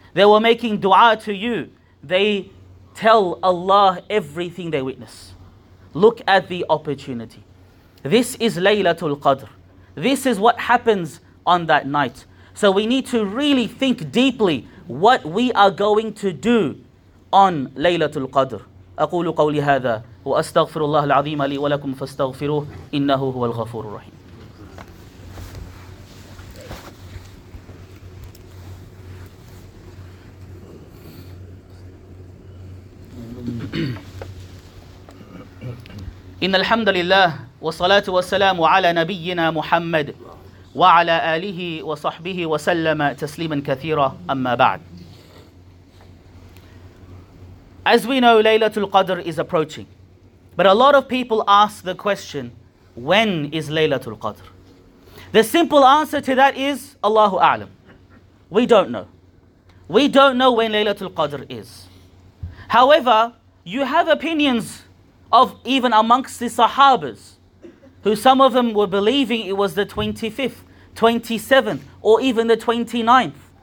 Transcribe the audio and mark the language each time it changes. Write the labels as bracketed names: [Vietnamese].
[English] They were making dua to you. They tell Allah everything they witness. Look at the opportunity. This is Laylatul Qadr. This is what happens on that night. So we need to really think deeply what we are going to do on Laylatul Qadr. [Arabic] أقول قولي هذا وأستغفر الله العظيم لي ولكم فاستغفروه إنه هو الغفور الرحيم. إن الحمد لله والصلاة والسلام على نبينا محمد وعلى آله وصحبه وسلم تسليما كثيرا أما بعد. [English] As we know, Laylatul Qadr is approaching. But a lot of people ask the question, when is Laylatul Qadr? The simple answer to that is, Allahu A'lam. We don't know. We don't know when Laylatul Qadr is. However, you have opinions of even amongst the Sahabas, who some of them were believing it was the 25th, 27th, or even the 29th.